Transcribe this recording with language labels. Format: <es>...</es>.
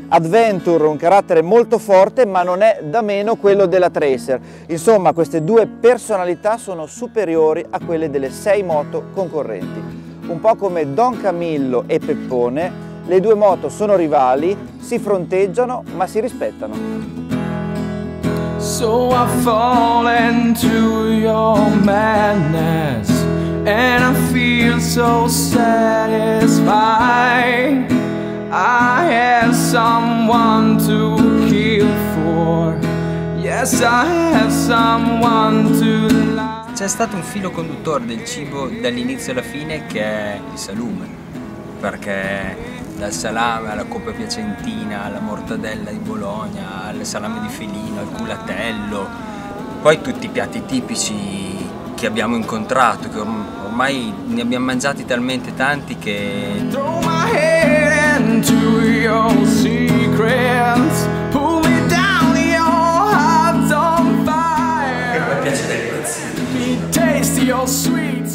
<it>Adventure, un carattere molto forte, ma non è da meno quello della Tracer. Insomma, queste due personalità sono superiori a quelle delle 6 moto concorrenti. Un po' come Don Camillo e Peppone, le due moto sono rivali, si fronteggiano, ma si rispettano.</it> <en>So I fall into your madness and I feel so satisfied. I have someone to kill for. Yes, I have someone to love.</en> <it>C'è stato un filo conduttore del cibo dall'inizio alla fine che è il salume, perché dal salame alla coppa piacentina, alla mortadella di Bologna, al salame di felino, al culatello, poi tutti i piatti tipici che abbiamo incontrato, che ormai ne abbiamo mangiati talmente tanti che</it> <en>to your secrets, pull me down, your heart's on fire.</en>